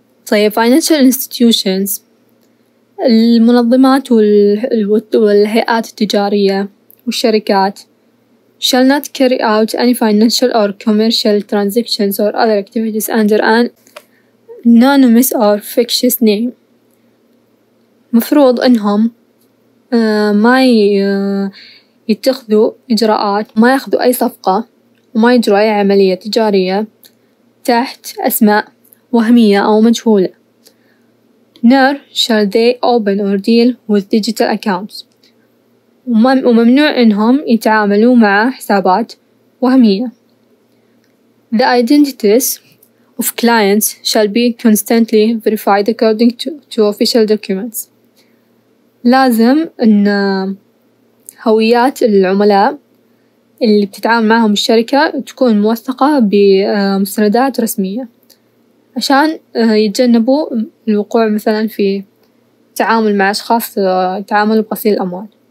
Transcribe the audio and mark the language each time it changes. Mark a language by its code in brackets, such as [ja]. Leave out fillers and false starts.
[ar] طيب [en] financial institutions، [ar] المنظمات والهيئات التجارية والشركات [en] shall not carry out any financial or commercial transactions or other activities under an anonymous or fictitious name. [ar] مفروض انهم ما يتخذوا اجراءات، ما ياخذوا اي صفقة، وما يجروا اي عملية تجارية تحت اسماء وهمية او مجهولة. [en] nor shall they open or deal with digital accounts. [ar] وممنوع انهم يتعاملوا مع حسابات وهمية. [en] the identities of clients shall be constantly verified according to official documents. [ar] لازم ان هويات العملاء اللي بتتعامل معهم الشركة تكون موثقة بمستندات رسمية عشان يتجنبوا الوقوع مثلا في تعامل مع اشخاص تعاملوا بغسيل الاموال.